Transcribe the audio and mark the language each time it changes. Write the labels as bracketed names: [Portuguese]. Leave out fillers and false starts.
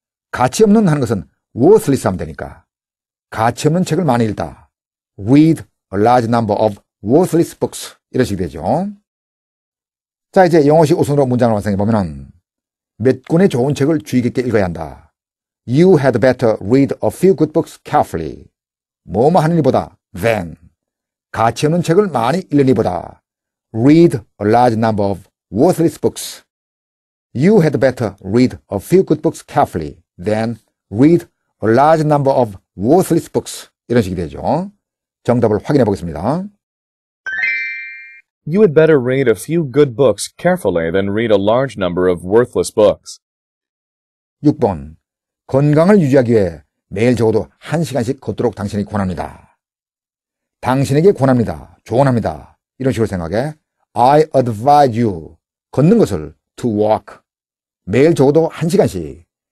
[Korean] 가치 없는 하는 것은 worthless 하면 되니까 가치 없는 책을 많이 읽다. [English] Read a large number of worthless books. [Korean] 이런 식이 되죠. 자, 이제 영어식 우선으로 문장을 완성해보면 몇 권의 좋은 책을 주의 깊게 읽어야 한다. [English] You had better read a few good books carefully. [Korean] 뭐뭐 하느니보다 [English] than [Korean] 가치 없는 책을 많이 읽으니보다 [English] read a large number of worthless books. You had better read a few good books carefully than read a large number of worthless books. [Korean] 이런 식이 되죠. 정답을 확인해 보겠습니다. [English] You had better read a few good books carefully than read a large number of worthless books. [Korean] 6번. 건강을 유지하기 위해 매일 적어도 1시간씩 걷도록 당신이 권합니다. 당신에게 권합니다. 조언합니다. 이런 식으로 생각해. [English] I advise you. [Korean] 걷는 것을 [English] to walk. [Korean] 매일 적어도 1시간씩.